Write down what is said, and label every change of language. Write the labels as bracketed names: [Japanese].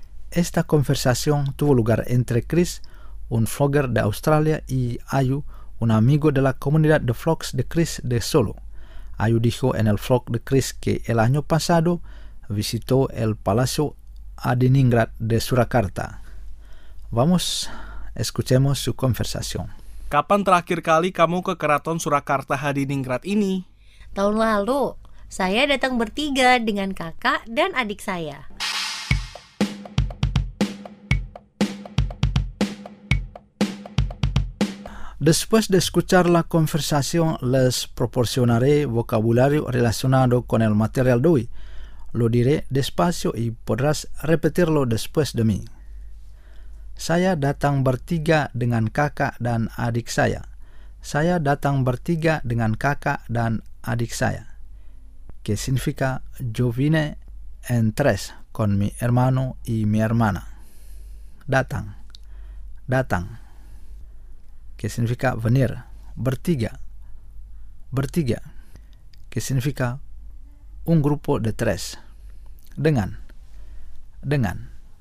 [Spanish] Esta conversación tuvo lugar entre Chris, un vlogger de Australia, y Ayu, un amigo de la comunidad de vlogs de Chris de Solo. Ayu dijo en el vlog de Chris que el año pasado visitó el Palacio Adiningrat de Surakarta. Vamos, escuchemos su conversación. [Indonesian] Kapan terakhir kali kamu ke Keraton Surakarta Hadiningrat ini? Tahun lalu, saya datang bertiga dengan kakak dan adik saya. [Spanish] Después de escuchar la conversación, les proporcionaré vocabulario relacionado con el material de hoy. Lo diré despacio y podrás repetirlo después de mí. [Indonesian] Saya datang bertiga dengan kakak dan adik saya. Saya datang bertiga dengan kakak dan adik saya. [Spanish] Que significa yo vine en tres con mi hermano y mi hermana. [Indonesian] Datang. Datang. [Spanish] Que significa venir. [Indonesian] Bertiga. Bertiga. [Spanish] Que significa un grupo de tres. [Indonesian] Dengan. Dengan.